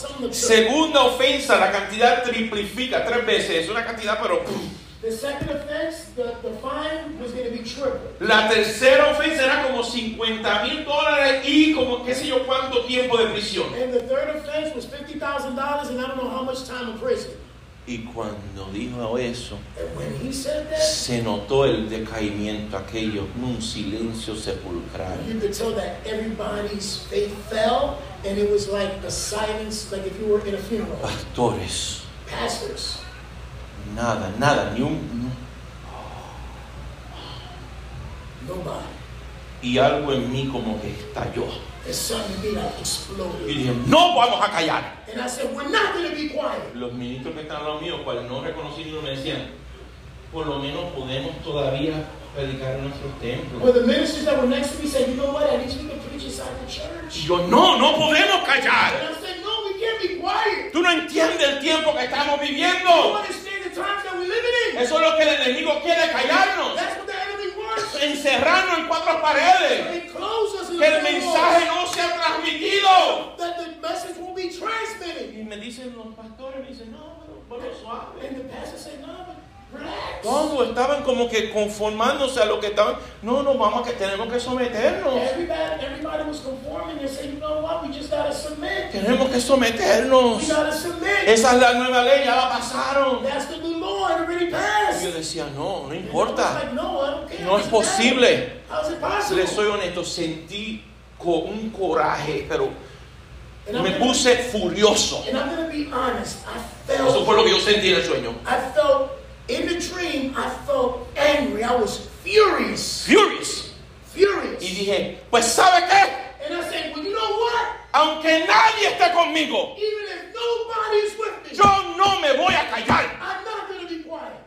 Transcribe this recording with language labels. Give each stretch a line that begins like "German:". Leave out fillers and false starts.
Spanish: Segunda ofensa, la cantidad triplifica tres veces, es una cantidad, pero.
English: The second offense, the fine was going to be triple.
Spanish: La tercera ofensa era como $50,000 y como qué sé yo cuánto tiempo de prisión.
English: And the third offense was $50,000 and I don't know how much time in prison.
Spanish: Y cuando dijo eso,
English: that,
Spanish: se notó el decaimiento aquello, un silencio sepulcral.
English: You could tell that everybody's faith fell, and it was like a silence, like if you were in a funeral.
Spanish: Pastores.
English: Pastors.
Spanish: Nada, nada, ni un.
English: Nobody.
Spanish: Y algo en mí como que estalló.
English: And suddenly they like exploded.
Spanish: Y dije, no vamos a callar.
English: And I said, we're not going to be quiet.
Spanish: Los ministros que están al lado mío, cuales no reconocí, no me decían, por lo menos podemos todavía predicar nuestros templos.
English: Well, the ministers that were next to me said, you know what? At least we can preach inside the church.
Spanish: Y yo, no podemos callar.
English: And I said, no, we can't be quiet.
Spanish: Tú no entiendes el tiempo que estamos viviendo.
English: You don't understand the times that we're living in.
Spanish: Eso es lo que el enemigo quiere, callarnos.
English: That's what the enemy wants.
Spanish: Encerrarnos en cuatro paredes. Que el mensaje no sea transmitido.
English: That the message will be transmitted.
Spanish: Y me dicen los pastores, me dicen, no, pero suave.
English: And the pastor said, no, but relax.
Spanish: Todos estaban como que conformándose a lo que estaban. No, no, vamos, que tenemos que someternos.
English: Everybody was conforming. They said, you know what, we just gotta submit.
Spanish: Tenemos que someternos.
English: We gotta submit.
Spanish: Esa es la nueva ley, ya la pasaron.
English: That's the new law, it already passed.
Spanish: Y yo decía, no, no importa.
English: Like, no, I don't care.
Spanish: No es posible.
English: How is it possible?
Spanish: Le soy honesto, sentí con un coraje, pero me puse furioso.
English: And I'm gonna be honest, I felt.
Spanish: Eso fue lo que yo sentí en el sueño.
English: I felt in the dream, I felt angry. I was furious. Furious. Furious.
Spanish: Y dije, pues ¿sabe qué?
English: And I said, well, you know what?
Spanish: Aunque nadie esté conmigo,
English: even if nobody's with me,
Spanish: yo no me voy a callar.
English: I'm not gonna be quiet.